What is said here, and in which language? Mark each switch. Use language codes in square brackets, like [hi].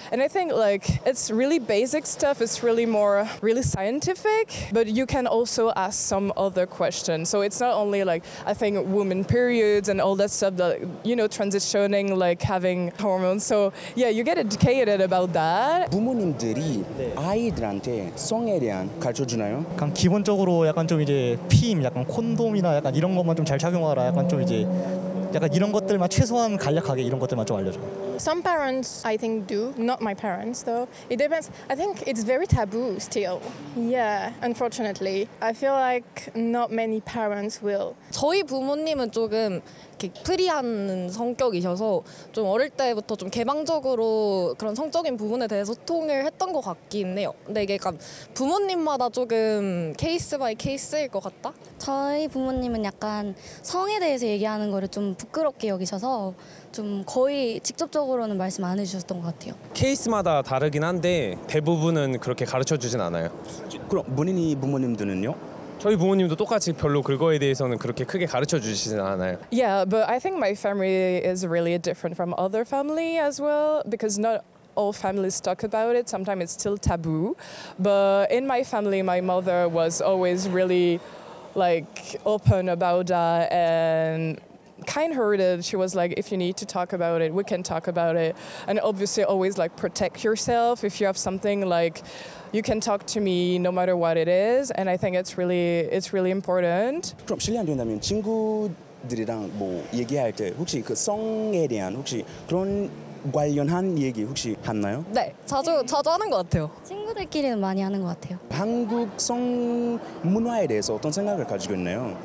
[en] And I think like it's really basic stuff. It's really more really scientific. But you can also ask some other questions. So it's not only like I think women periods and all that stuff that you know transitioning like having hormones. So yeah, you get educated about that. [ko] 부모님들이 아이들한테 성에 대한 가르쳐 주나요? 약간 기본적으로 약간 좀 이제 피임, 약간 콘돔이나 약간 이런 것만 좀 잘 착용하라 약간 좀 이제 약간 이런 것들만 최소한 간략하게 이런 것들만 좀 알려줘. [en] Some parents I think do, not my parents though. It depends. I think it's very taboo still. Yeah, unfortunately. I feel like not many parents will. [ko] 저희 부모님은 조금 프리한 성격이셔서 좀 어릴 때부터 좀 개방적으로 그런 성적인 부분에 대해서 소통을 했던 것 같긴 해요. 근데 이게 약간 부모님마다 조금 케이스 바이 케이스일 것 같다? 저희 부모님은 약간 성에 대해서 얘기하는 거를 좀 부끄럽게 여기셔서 좀 거의 직접적으로는 말씀 안 해주셨던 것 같아요. 케이스마다 다르긴 한데 대부분은 그렇게 가르쳐주진 않아요. 그럼 문인이 부모님들은요? 저희 부모님도 똑같이 별로 그거에 대해서는 그렇게 크게 가르쳐 주시진 않아요. [en] Yeah, but I think my family is really different from other family as well because not all families talk about it. Sometimes it's still taboo. But in my family, my mother was always really like open about that and kind-hearted. She was like, if you need to talk about it, we can talk about it. And obviously always like protect yourself if you have something like you can talk to me no matter what it is, and I think it's really important. [ko] 그럼 실례 안 된다면 친구들이랑 뭐 얘기할 때 혹시 그 성에 대한 혹시 그런 관련한 얘기 혹시 하나요? 네, 자주 하는 것 같아요. 친구들끼리는 많이 하는 것 같아요. 한국 성 문화에 대해서 어떤 생각을 가지고 있나요?